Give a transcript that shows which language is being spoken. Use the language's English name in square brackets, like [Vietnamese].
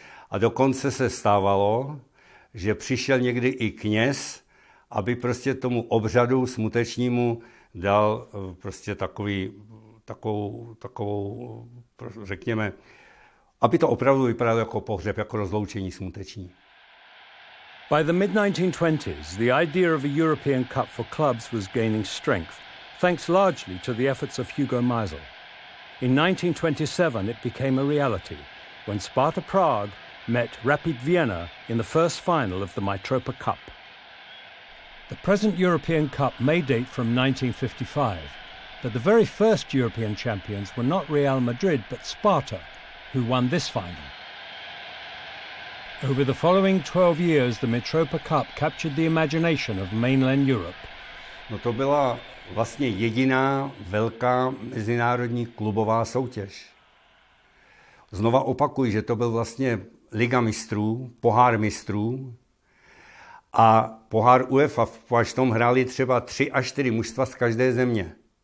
[Czech] A dokonce se stávalo, že přišel někdy i kněz, aby prostě tomu obřadu smutečnímu dal prostě takovou, řekněme, aby to opravdu vypadalo jako pohřeb, jako rozloučení smuteční. [English] By the mid-1920s, the idea of a European Cup for clubs was gaining strength, thanks largely to the efforts of Hugo Meisel. In 1927, it became a reality when Sparta Prague met Rapid Vienna in the first final of the Mitropa Cup. The present European Cup may date from 1955, but the very first European champions were not Real Madrid, but Sparta, who won this final. Over the following 12 years, the Mitropa Cup captured the imagination of mainland Europe. [Czech] No to byla vlastně jediná velká mezinárodní klubová soutěž. Znova opakuji, že to byl vlastně Liga mistrů, pohár mistrů a pohár UEFA, až v tom hráli třeba 3 až 4 mužstva z každé země.